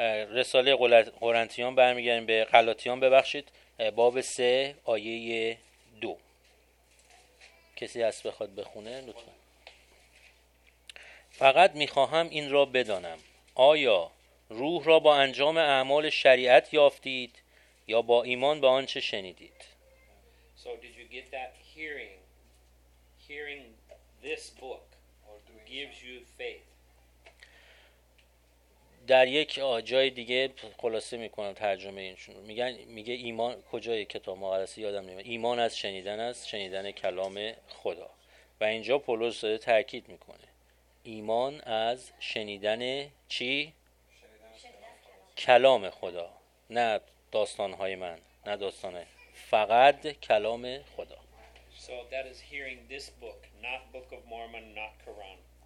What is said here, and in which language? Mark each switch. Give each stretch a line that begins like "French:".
Persian: رساله قرنتیان برمیگردیم به غلاطیان ببخشید باب 3 آیه 2 کسی هست بخواد بخونه لطفا فقط میخواهم این را بدانم آیا روح را با انجام اعمال شریعت یافتید یا با ایمان به آنچه شنیدید
English: So did you get that hearing this book or gives you faith
Persian: در یک جای دیگه خلاصه میکنم ترجمه اینشون میگن میگه ایمان کجای کتاب مقدس یادم نمیاد ایمان از شنیدن است شنیدن کلام خدا و اینجا پولس داره تاکید میکنه ایمان از شنیدن چی شنیدن کلام خدا نه داستان های من نه داستان فقط کلام خدا
English: So that is hearing this book not Book of Mormon not Quran